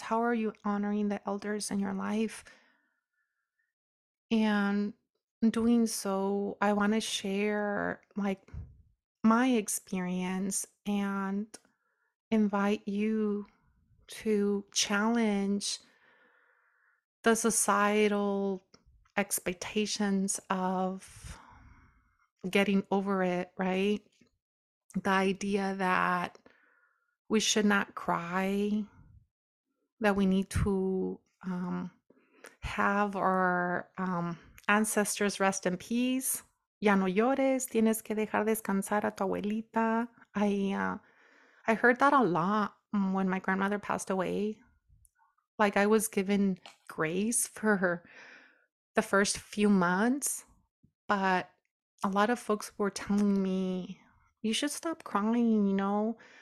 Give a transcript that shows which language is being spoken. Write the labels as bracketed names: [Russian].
[English] How are you honoring the elders in your life? And doing so, I want to share like my experience and invite you to challenge the societal expectations of getting over it, right? The idea that we should not cry, that we need to have our ancestors rest in peace. [Spanish] Ya no llores, tienes que dejar descansar a tu abuelita. [English] I heard that a lot when my grandmother passed away. Like, I was given grace for her the first few months, but a lot of folks were telling me, you should stop crying, you know?